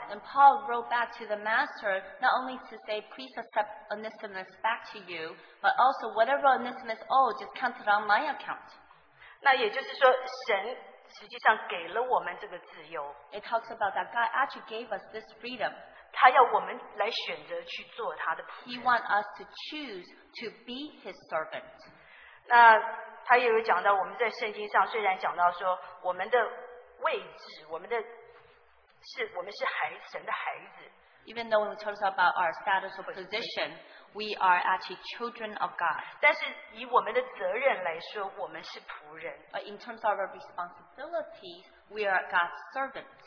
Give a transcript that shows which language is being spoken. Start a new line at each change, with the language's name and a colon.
English: And Paul wrote back to the master, not only to say, please accept Onesimus back to you, but also whatever Onesimus owes, just count it on my account.
Chinese: 那也就是说神 实际上给了我们这个自由。
English: It talks about that God actually gave us this freedom.
Chinese: 他要我们来选择去做他的仆人。
English: He wants us to choose to be his servant.
Chinese: 那他也有讲到我们在圣经上虽然讲到说我们的位置，我们是神的孩子。
English: Even though it talks about our status or position, we are actually children of God.
Chinese: 但是以我们的责任来说，我们是仆人。
English: But in terms of our responsibilities, we are God's servant.